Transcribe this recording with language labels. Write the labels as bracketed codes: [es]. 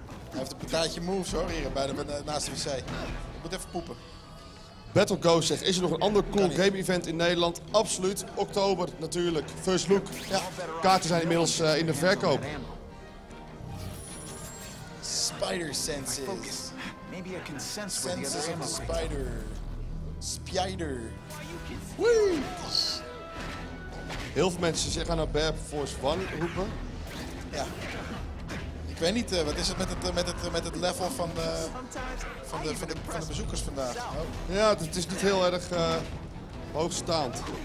[nl] Hij heeft een partijtje moves hoor, hier bij naast de wc. Ik moet even poepen. Battle Ghost zegt, is er nog een ander cool game event in Nederland? Absoluut, oktober natuurlijk. [en] First Look. [nl] Ja. Kaarten zijn inmiddels in de verkoop. [en] Spider senses. Maybe I can sense senses of a spider. Spider. Woe! [nl] Heel veel mensen gaan naar Bear Force One roepen. Ja. Ik weet niet, wat is het met het level van de bezoekers vandaag? Oh. Ja, het is niet heel erg hoogstaand.